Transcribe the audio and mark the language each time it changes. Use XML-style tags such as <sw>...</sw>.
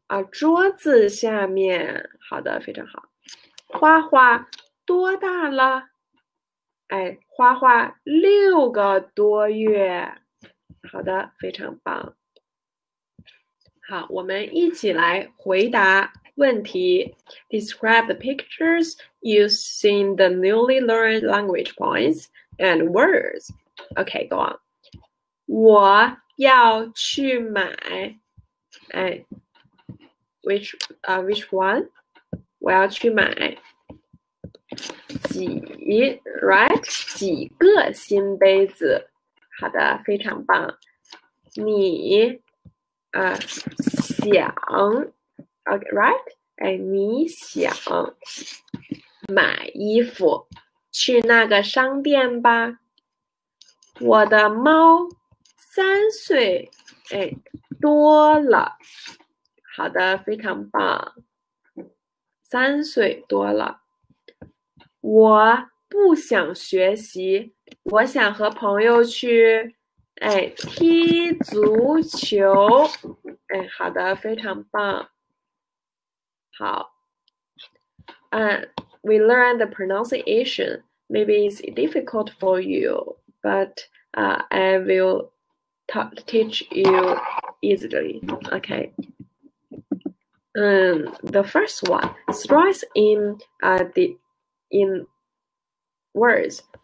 <zh>桌子下面。好的，非常好。花花多大了？花花6个多月。好的，非常棒。好，我们一起来回答问题。</zh> <en>Describe the pictures using the newly learned language points. And words. Okay, go on.</en> <zh>我要去买， which one? 我要去买几，right？几个新杯子？好的，非常棒。你，想，OK，right？哎，你想买衣服，去那个商店吧。我的猫3岁，哎，多了。好的，非常棒。 3岁多了，我不想学习，我想和朋友去，哎，踢足球，哎，好的，非常棒，好， we learned the pronunciation.</zh> <en>Maybe it's difficult for you, but I will teach you easily. Okay. The first one, stress in words.</en>